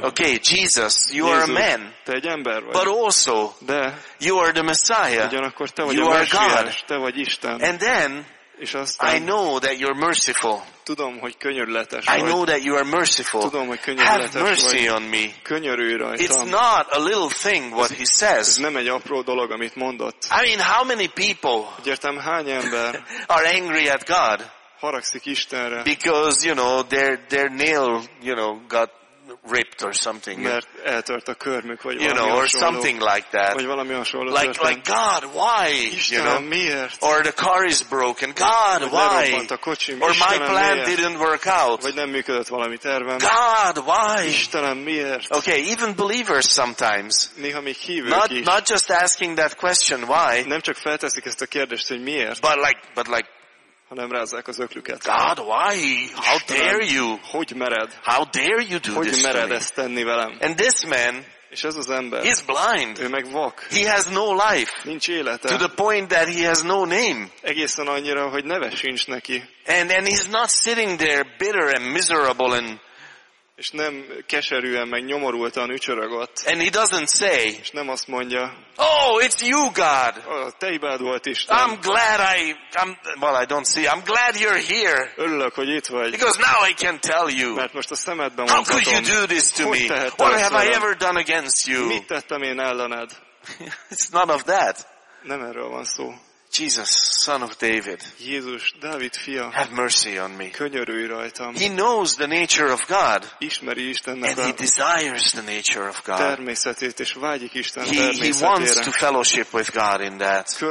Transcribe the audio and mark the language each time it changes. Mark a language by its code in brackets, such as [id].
[en] Okay, Jesus, you [hu] Jézus, [en] are a man. [hu] Te egy ember vagy. [en] But also, [hu] de, [en] you are the Messiah. [hu] Ugyanakkor te vagy [en] you [hu] a [en] are God. [hu] Te vagy Isten. [en] And then, [hu] és aztán, [en] I know that you're merciful. [hu] Tudom, hogy könyörületes vagy. [en] I know that you are merciful. [hu] Tudom, hogy könyörületes vagy. [en] Have mercy On me. [hu] Könyörülj rajtam. [en] It's not a little thing what he says. [hu] Ez nem egy apró dolog, amit mondott. [en] I mean, how many people [hu] értem, hány ember [en] are angry at God? [hu] Haragszik Istenre. [en] Because you know their nail you know got ripped or something. [hu] Mert eltört a körmük vagy [en] you know or something like that. [hu] Vagy valami hasonló. [en] Like God why? [hu] Isten, [en] you know [hu] miért? [en] Or the car is broken. God why? [hu] A kocsim. [en] Or my plan [hu] miért? [en] Didn't work out. [hu] Vagy nem működött valami tervem. [en] God why? [hu] Istenem miért? [en] Okay, even believers sometimes. [hu] Néha még hívők [en] not, [hu] is. [en] Not just asking that question why. [hu] Nem csak felteszik ezt a kérdést, hogy miért. [en] But like [hu] hanem rázzák az öklüket. [en] God, why? How dare you? [hu] Hogy mered? [en] How dare you do [hu] hogy [en] this [hu] mered ezt tenni velem? [en] And this man, [hu] És ez az ember. [en] He's blind. [hu] Ő meg vak. [en] He has no life. [hu] Nincs élete. [en] To the point that he has no name. [hu] Egészen annyira, hogy neve sincs neki. [en] And he's not sitting there bitter and miserable and [hu] és nem keserűen meg nyomorultan ücsörögött. [en] And he doesn't say. [hu] És nem azt mondja. [en] Oh, it's you, God. [hu] Te hibád volt, Isten. [en] I'm glad you're here. [hu] Örülök, hogy itt vagy. [en] Because now I can tell you. [hu] Mert most a szemedben mondhatom. [en] How could you do this to me? What have I ever done against you? [hu] Mit tettem én ellened? [en] It's none of that. [hu] Nem erről van szó. [en] Jesus, son of David. [hu] Jézus, Dávid fia. [en] Have mercy on me. [hu] Könyörülj rajtam. [en] He knows the nature of God. [hu] Ismeri Istennek. [en] And he desires the nature of God. [hu] Természetét és vágyik Isten természetére. [en] He wants to fellowship with God in that.